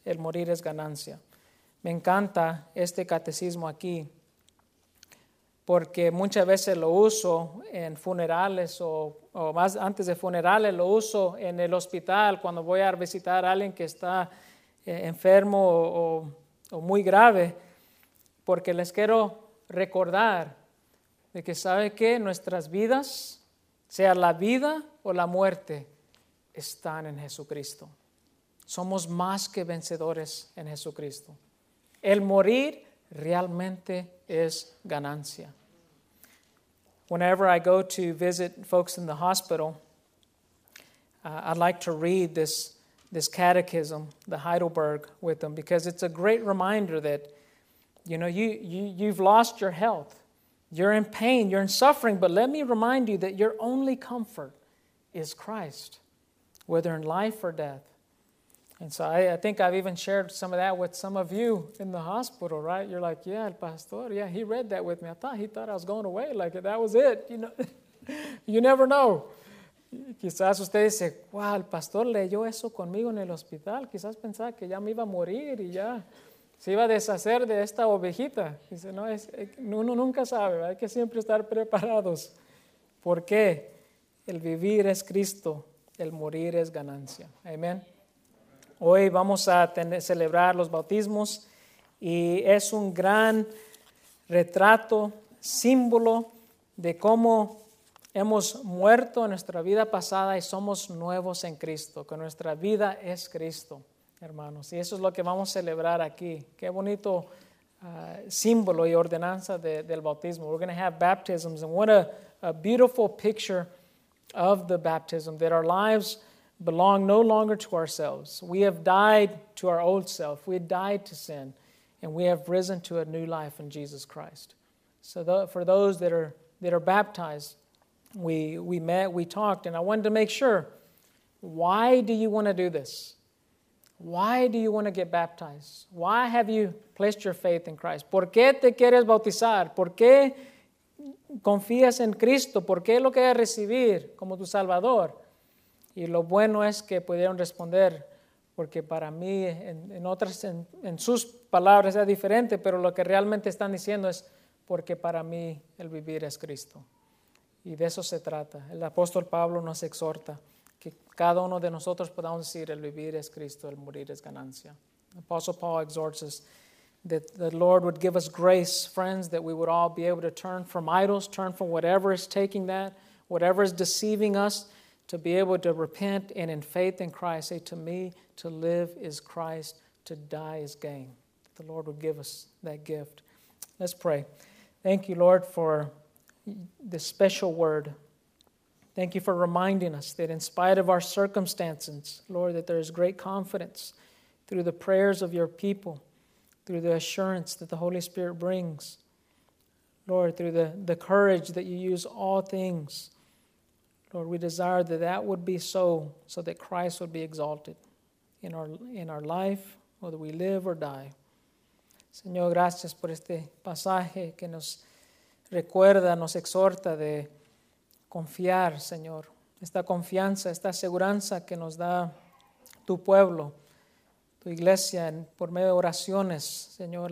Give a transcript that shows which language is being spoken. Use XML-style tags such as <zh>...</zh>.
<es>El morir es ganancia. Me encanta este catecismo aquí, porque muchas veces lo uso en funerales o más antes de funerales, lo uso en el hospital cuando voy a visitar a alguien que está enfermo o muy grave, porque les quiero recordar de que, ¿sabe qué? Nuestras vidas, sea la vida o la muerte, están en Jesucristo. Somos más que vencedores en Jesucristo. El morir realmente es ganancia.</es> <en>Whenever I go to visit folks in the hospital, I like to read this catechism, the Heidelberg, with them, because it's a great reminder that, you know, you've lost your health. You're in pain, you're in suffering, but let me remind you that your only comfort is Christ, whether in life or death. And so I think I've even shared some of that with some of you in the hospital, right? You're like, yeah,</en> <es>el pastor,</es> <en>yeah, he read that with me. He thought I was going away, like that was it. You know, you never know.</en> <es>Quizás usted dice, wow, el pastor leyó eso conmigo en el hospital. Quizás pensaba que ya me iba a morir y ya se iba a deshacer de esta ovejita. Dice, no, uno nunca sabe, ¿verdad? Hay que siempre estar preparados. ¿Por qué? El vivir es Cristo, el morir es ganancia. Amén. Hoy vamos a celebrar los bautismos y es un gran retrato, símbolo de cómo hemos muerto en nuestra vida pasada y somos nuevos en Cristo, que nuestra vida es Cristo, hermanos. Y eso es lo que vamos a celebrar aquí. Qué bonito símbolo y ordenanza del bautismo.</es> <en>We're going to have baptisms, and what a beautiful picture of the baptism, that our lives belong no longer to ourselves. We have died to our old self. We have died to sin, and we have risen to a new life in Jesus Christ. So for those that are baptized, we met, we talked, and I wanted to make sure, why do you want to do this? Why do you want to get baptized? Why have you placed your faith in Christ?</en> <es>¿Por qué te quieres bautizar? ¿Por qué confías en Cristo? ¿Por qué lo quieres recibir como tu Salvador? Y lo bueno es que pudieron responder, porque para mí, en sus palabras es diferente, pero lo que realmente están diciendo es, porque para mí el vivir es Cristo. Y de eso se trata. El apóstol Pablo nos exhorta que cada uno de nosotros podamos decir, el vivir es Cristo, el morir es ganancia.</es> <en>The apostle Paul exhorts us that the Lord would give us grace, friends, that we would all be able to turn from idols, turn from whatever is taking that, whatever is deceiving us, to be able to repent and in faith in Christ say, to me, to live is Christ, to die is gain. The Lord would give us that gift. Let's pray. Thank you, Lord, for this special word. Thank you for reminding us that in spite of our circumstances, Lord, that there is great confidence through the prayers of your people, through the assurance that the Holy Spirit brings. Lord, through the courage that you use all things, Lord, we desire that that would be so that Christ would be exalted in our life, whether we live or die.</en> <es>Señor, gracias por este pasaje que nos recuerda, nos exhorta de confiar, Señor. Esta confianza, esta aseguranza que nos da tu pueblo, tu iglesia, por medio de oraciones, Señor.</es>